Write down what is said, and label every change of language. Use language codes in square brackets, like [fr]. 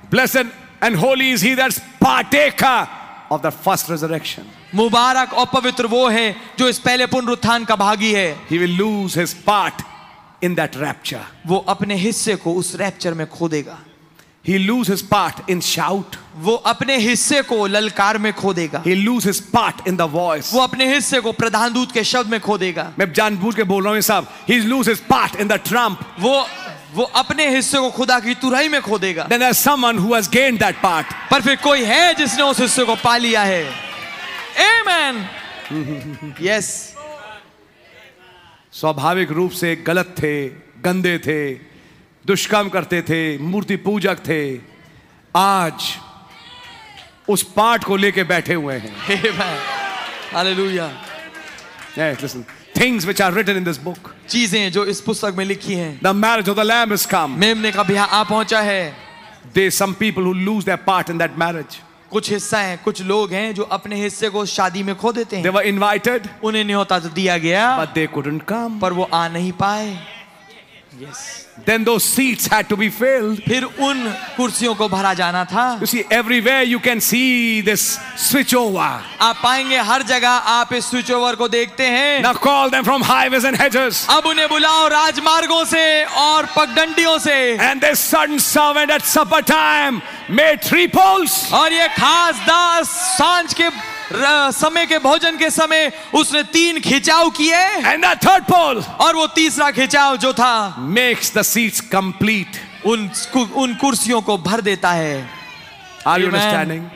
[en] Blessed and holy is he that's partaker of the first resurrection. [hi] मुबारक और पवित्र वो है जो इस पहले पुनरुत्थान का भागी है. [en] He will lose his part in that rapture. [hi] वो अपने हिस्से को उस रैप्चर में खो देगा. [en] He lose his part in shout. [hi] वो अपने हिस्से को ललकार में खो देगा. [en] He lose his part in the voice. [hi] वो अपने हिस्से को प्रधान दूत के शब्द में खो देगा. मैं जानबूझ के बोल रहा हूँ साहब. [en] He lose his part in the trump. [hi] वो अपने हिस्से को खुदा की तुराई में खो देगा. [en] Then there's someone who has gained that part. [hi] पर फिर कोई है जिसने उस हिस्से को पा लिया है. [en] Amen. Yes. [hi] स्वाभाविक रूप से गलत थे, गंदे थे, दुष्कर्म करते थे, मूर्ति पूजक थे, आज उस पाठ को लेके बैठे हुए हैं. [en] Amen. Hallelujah. Yes, listen. Things which are written in this book. [hi] चीजें जो इस पुस्तक में लिखी हैं. [en] The marriage of the Lamb has come. [hi] मेमने का ब्याह आ पहुंचा है. [en] There some people who lose their part in that marriage. [hi] कुछ हिस्सा है, कुछ लोग हैं जो अपने हिस्से को शादी में खो देते हैं. [en] They were invited, [hi] उन्हें न्योता तो दिया गया, [en] but they couldn't come. [hi] पर वो आ नहीं पाए. [en] Yes. Then those seats had to be filled. [hi] फिर उन कुर्सियों को भरा जाना था. [en] You see, everywhere you can see this switchover. [hi] आप पाएंगे हर जगह आप इस switchover को देखते हैं. [en] Now call them from highways and hedges. [hi] अब उन्हें बुलाओ राजमार्गों से और पगडंडियों से. [en] And this sudden servant at supper time made three poles. [hi] और ये खास दास सांझ के समय के भोजन के समय उसने तीन खिंचाव किए. [en] and the third pole, [hi] और वो तीसरा खिंचाव जो था [en] makes the seats complete, [hi] उन कुर्सियों को भर देता है. [en] Are you understanding?